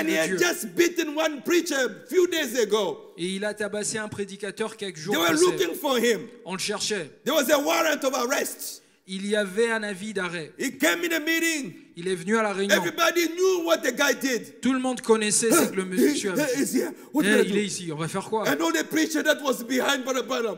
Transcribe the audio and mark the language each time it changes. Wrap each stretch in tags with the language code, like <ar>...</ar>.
<en>And he had just beaten one preacher few days ago.</en> <fr>Et il a tabassé un prédicateur quelques jours passés.</fr> <en>They were looking for him.</en> <fr>On le cherchait.</fr> <en>There was a warrant of arrest.</en> <fr>Il y avait un avis d'arrêt.</fr> <en>He came in a meeting.</en> <fr>Il est venu à la réunion.</fr> <en>Everybody knew what the guy did.</en> <fr>Tout le monde connaissait ce que le monsieur avait fait. Il est ici. On va faire quoi?</fr> <en>And all the preacher that was behind Brother Branham.</en>